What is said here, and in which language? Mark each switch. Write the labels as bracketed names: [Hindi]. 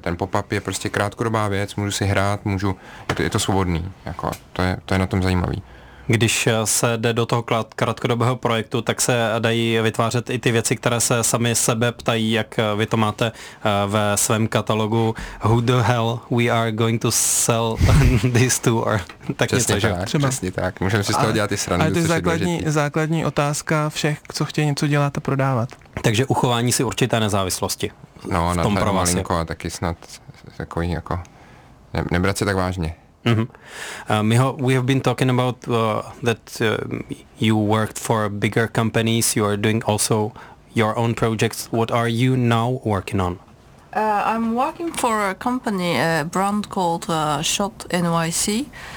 [Czech] Ten pop-up je prostě krátkodobá věc, můžu si hrát, je to svobodný. Jako, to je na tom zajímavý. když se jde do toho krátkodobého projektu, tak se dají vytvářet i ty věci, které se sami sebe ptají, jak vy to máte ve svém katalogu. [English] Who the hell we are going to sell this to? [Czech] Or, tak přesně něco, tak, třeba. Přesně tak. Můžeme si z toho dělat i srandu. Ale to je základní otázka všech, co chtějí něco dělat a prodávat. Takže uchování si určité nezávislosti. No, v tom pro vás. A taky snad takový jako nebrat se tak vážně. Mm-hmm. [English] We have been talking about that you worked for bigger companies, you are doing also your own projects. What are you now working on? I'm working for a company, a brand called Shot NYC.